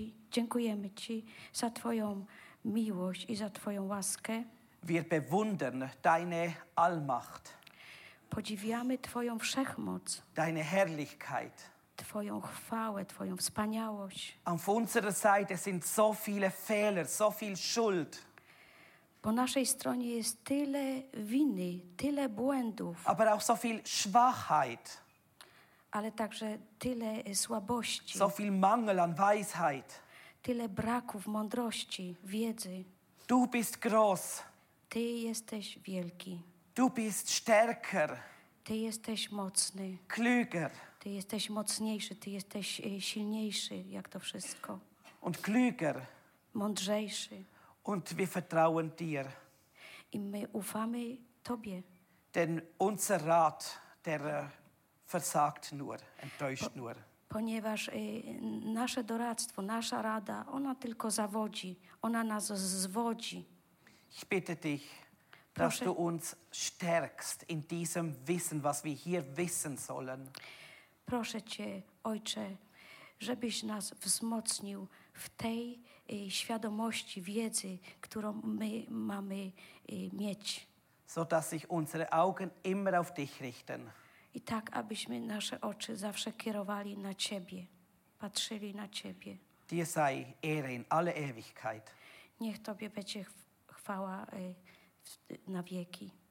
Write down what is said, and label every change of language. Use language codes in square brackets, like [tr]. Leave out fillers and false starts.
[pl] Dziękujemy ci za twoją miłość i za twoją łaskę. [de] Wir bewundern deine Allmacht. [pl] Podziwiamy twoją wszechmoc. [de] Deine Herrlichkeit. [pl] Twoją chwałę, twoją wspaniałość. [de] Auf unserer Seite sind so viele Fehler, so viel Schuld. [pl] Po naszej stronie jest tyle winy, tyle błędów. [de] Aber auch so viel Schwachheit. [pl] Ale także tyle słabości. [de] So viel Mangel an Weisheit. [pl] Tyle braków mądrości, wiedzy. [de] Du bist groß. [pl] Ty jesteś wielki. [de] Du bist stärker. [pl] Ty jesteś mocny. [de] Klüger. [pl] Ty jesteś mocniejszy, ty jesteś silniejszy, jak to wszystko. [de] Und klüger. [pl] Mądrzejszy. [de] Und wir vertrauen dir. [pl] I my ufamy Tobie. [de] Denn unser Rat, der versagt nur, enttäuscht nur. [pl] Ponieważ nasze doradztwo, nasza rada, ona tylko zawodzi, ona nas zwodzi. [de] Ich bitte dich, [pl] proszę, [de] dass du uns stärkst in diesem Wissen, was wir hier wissen sollen. [pl] Proszę Cię, Ojcze, żebyś nas wzmocnił w tej świadomości, wiedzy, którą my mamy mieć. [de] So dass sich unsere Augen immer auf dich richten. [pl] I tak, abyśmy nasze oczy zawsze kierowali na Ciebie, patrzyli na Ciebie. [de] Dir sei Ehre in alle Ewigkeit. [pl] Niech Tobie będzie chwała na wieki.